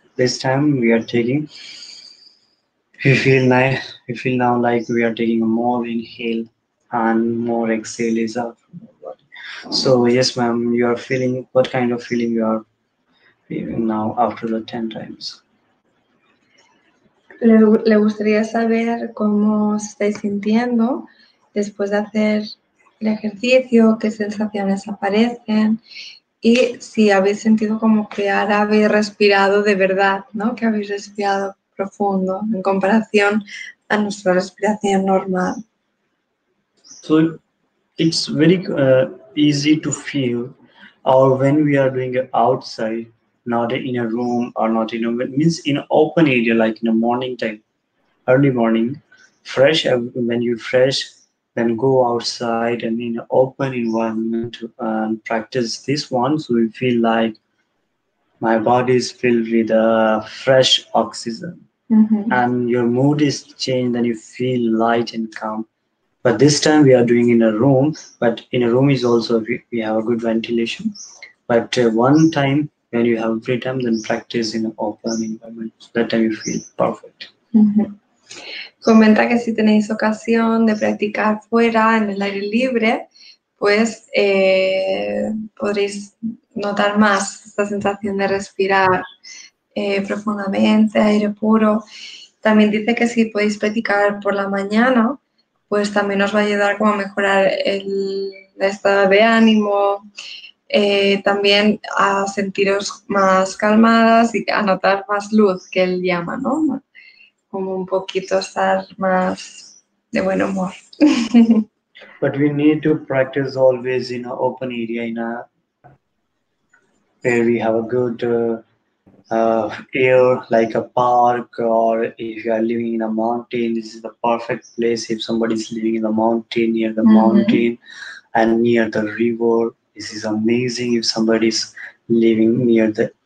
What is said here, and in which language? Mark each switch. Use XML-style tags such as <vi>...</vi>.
<en>This time we are taking, we feel now like we are taking a more inhale and more exhale is up. So yes ma'am, you are feeling, what kind of feeling you are feeling now after the 10 times?</en> <es>Le gustaría saber cómo se está sintiendo después de hacer el ejercicio, qué sensaciones aparecen y si habéis sentido como que ahora habéis respirado de verdad, ¿no? Que habéis respirado profundo en comparación a nuestra respiración normal.</es> <en>So it's very easy to feel, or when we are doing it outside, not in a room or not in a, means in open area, like in the morning time, early morning, fresh, when you fresh, then go outside and in an open environment and practice this one. So we feel like my body is filled with a fresh oxygen and your mood is changed and you feel light and calm. But this time we are doing in a room, but in a room is also, we have a good ventilation, but one time, when you have free time, then practice in an open environment. That time you feel perfect.</en> <es>Comenta que si tenéis ocasión de practicar fuera, en el aire libre, pues podréis notar más esta sensación de respirar profundamente, aire puro. También dice que si podéis practicar por la mañana, pues también os va a ayudar como a mejorar el estado de ánimo, también a sentiros más calmadas y a notar más luz, que él llama, ¿no? Como un poquito estar más de buen humor.</es> <en>But we need to practice always in an open area, in a where we have a good air, like a park, or if you are living in a mountain, this is the perfect place. If somebody is living in a mountain, near the mountain and near the river, this is amazing. If somebody's living near the</en>